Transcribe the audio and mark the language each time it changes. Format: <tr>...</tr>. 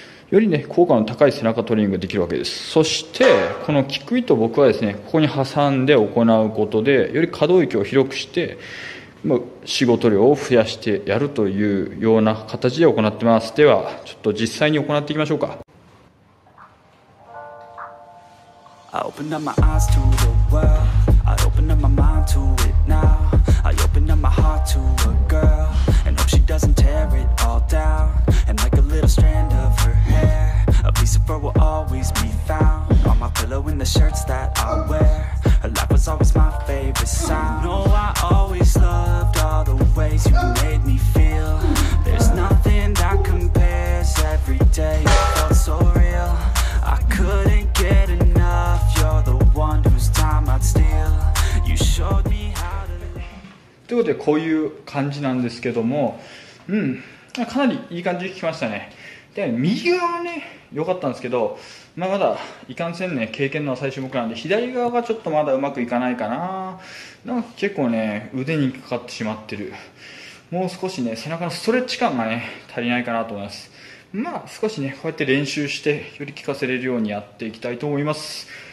<ja>よりね、効果の高い背中トレーニングができるわけです。そして、このキック糸を僕はですね、ここに挟んで行うことで、より可動域を広くして、仕事量を増やしてやるというような形で行ってます。ではちょっと実際に行っていきましょうか。</ja> <en>I opened up my eyes to the world. I opened up my mind to it now. I opened up my heart to a girl and hope she doesn't tear it all down and like a little strand of her hair a piece of her will always be found on my pillow in the shirts that I wear her life was always my favorite sound no I always loved all the ways you made me feel there's nothing that compares every day it felt so real I couldn't get enough you're the one whose time I'd steal you showed me how to live</en> <ja>ということでこういう感じなんですけども、かなりいい感じに聞きましたね。で、右側はね、良かったんですけど、まあ、まだいかんせんね、経験の浅い種目なんで、左側がちょっとまだうまくいかないかな。なんか結構ね、腕にかかってしまってる。もう少しね、背中のストレッチ感がね、足りないかなと思います。まあ少しね、こうやって練習して、より効かせれるようにやっていきたいと思います。</ja>